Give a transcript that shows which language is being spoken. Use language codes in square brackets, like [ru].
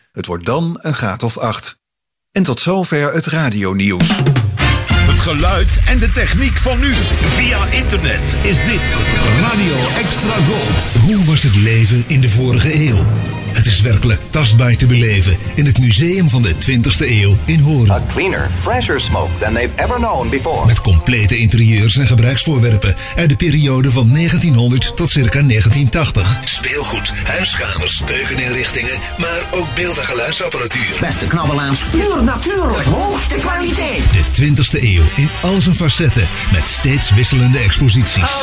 [nl] Het wordt dan een graad of 8. En tot zover het radionieuws. Het geluid en de techniek van nu. Via internet is dit Radio Extra Gold. Hoe was het leven in de vorige eeuw? Het is werkelijk tastbaar te beleven in het museum van de 20e eeuw in Hoorn. [en] A cleaner, fresher smoke than they've ever known before. [nl] Met complete interieurs en gebruiksvoorwerpen uit de periode van 1900 tot circa 1980. Speelgoed, huiskamers, keukeninrichtingen, maar ook beeld- en geluidsapparatuur. Beste knabbelaars, puur natuurlijk, hoogste kwaliteit. De 20e eeuw in al zijn facetten met steeds wisselende exposities.